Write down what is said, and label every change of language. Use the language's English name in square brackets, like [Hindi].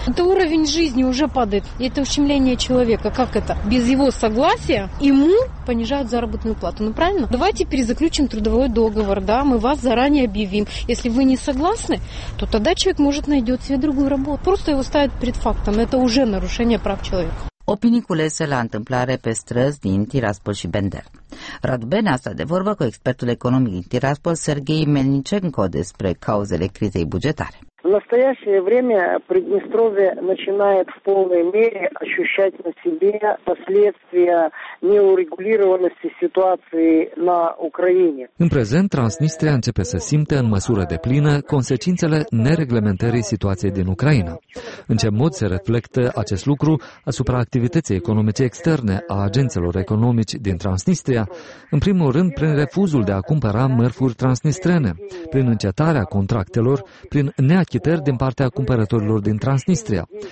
[Russian] Это уровень жизни уже падает. Это ущемление человека. Как это? Без его согласия ему понижают заработную плату. Ну, правильно? Давайте перезаключим трудовой договор, да, мы вас заранее объявим. Если вы не согласны, то тогда человек может найдет себе другую работу. Просто его ставят перед фактом. Это уже нарушение прав человека. [Romanian] Opinii culese la întâmplare pe străzi din Tiraspol și Bender. Radu Benea stă de vorbă cu expertul economic din Tiraspol, Sergei Melnicenko, despre cauzele crizei bugetare. [Russian] В настоящее время Приднестровье начинает в полной мере ощущать на себе последствия неурегулированности ситуации на Украине. [Romanian] În prezent, Transnistria începe să simte în măsură deplină consecințele nereglementării situației din Ucraina. În ce mod se reflectă acest lucru asupra activității economice externe a agențelor economici din Transnistria? În primul rând, prin refuzul de a cumpăra mărfuri transnistrene, prin încetarea contractelor, prin neachitare din partea cumpărătorilor din Transnistria.